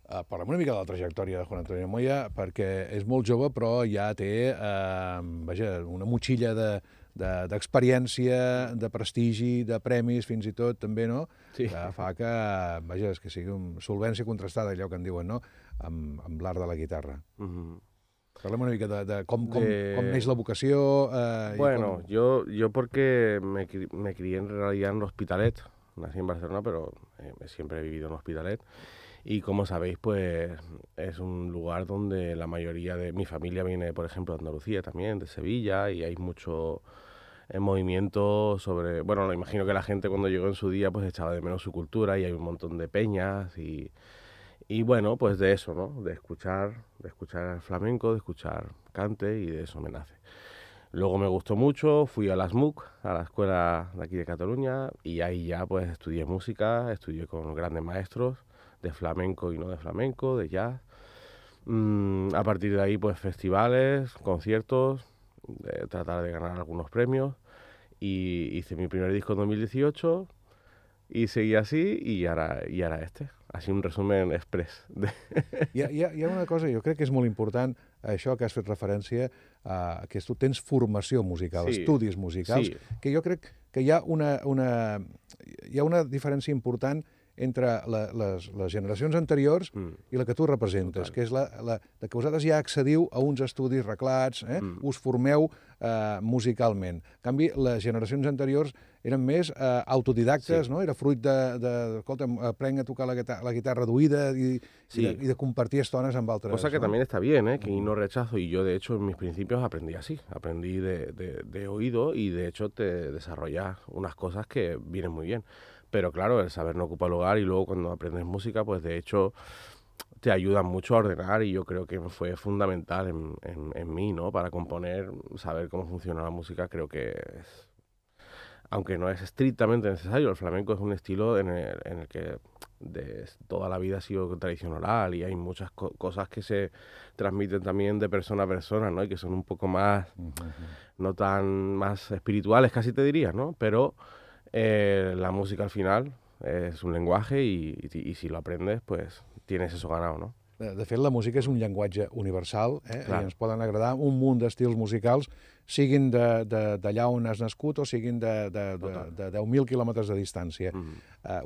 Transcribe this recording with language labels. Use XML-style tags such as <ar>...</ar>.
<ca>Parlem una mica de la trajectòria de Juan Antonio Moya, perquè és molt jove, però ja té una motxilla d'experiència, de prestigi, de premis, fins i tot, també, no? Sí. Que fa que, que sigui una solvència contrastada, allò que en diuen, no?, amb l'art de la guitarra. Parlem una mica de com neix la vocació...</ca> <es>Yo porque me crié en realidad en el Hospitalet, nací en Barcelona, pero siempre he vivido en el Hospitalet, y como sabéis, pues es un lugar donde la mayoría de mi familia viene, por ejemplo, de Andalucía también, de Sevilla, y hay mucho movimiento sobre... Bueno, lo imagino que la gente cuando llegó en su día pues echaba de menos su cultura, y hay un montón de peñas y... Y bueno, pues de eso, ¿no? De escuchar flamenco, de escuchar cante, y de eso me nace. Luego me gustó mucho, fui a la SMUC, a la escuela de aquí de Cataluña, y ahí ya pues estudié música, estudié con grandes maestros de flamenco y no de flamenco, de jazz. A partir de ahí pues festivales, conciertos, de tratar de ganar algunos premios, y hice mi primer disco en 2018, y seguí así, y</es> <ca>ara</ca> <es>este.</es> <ca>Així,</ca> <es>un resumen express.</es> <ca>Hi ha una cosa, jo crec que és molt important, això que has fet referència, que tu tens formació musical, sí, estudis musicals, sí, que jo crec que hi ha una diferència important entre les generacions anteriors i la que tu representes, total, que és la que vosaltres ja accediu a uns estudis reglats, us formeu musicalment. En canvi, les generacions anteriors eren més autodidactes, sí, no? Era fruit de escolta, aprenc a tocar la guitarra reduïda i de compartir estones amb altres. Cosa que no?</ca> <es>También está bien, que no rechazo, y yo, de hecho, en mis principios aprendí así, aprendí de oído, y de hecho te desarrollas unas cosas que vienen muy bien. Pero claro, el saber no ocupa lugar, y luego cuando aprendes música, pues de hecho te ayuda mucho a ordenar, y yo creo que fue fundamental en mí, ¿no? Para componer, saber cómo funciona la música, creo que es... Aunque no es estrictamente necesario, el flamenco es un estilo en el que de toda la vida ha sido tradición oral, y hay muchas cosas que se transmiten también de persona a persona, ¿no? Y que son un poco más, no tan más espirituales, casi te diría, ¿no? Pero... la música al final</es> <ca>és un llenguatge i si l'aprendes,</ca> <es>pues tienes eso ganado, ¿no?</es> <ca>De fet, la música és un llenguatge universal, eh? Clar. I ens poden agradar un munt d'estils musicals, siguin d'allà on has nascut o siguin de 10.000 quilòmetres de distància. Mm-hmm.</ca>